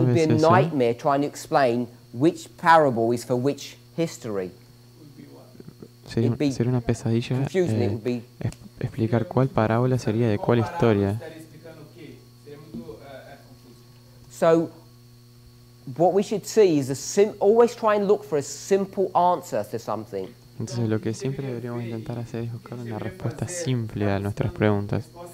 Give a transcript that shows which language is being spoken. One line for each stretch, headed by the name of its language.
English: it would be a nightmare trying to explain which parable is for which history.
Spanish: Sería una pesadilla explicar cuál parábola sería de cuál historia.
English: So, what we should see is always try and look for a simple answer to something.
Spanish: Entonces, lo que siempre deberíamos intentar hacer es buscar una respuesta simple a nuestras preguntas.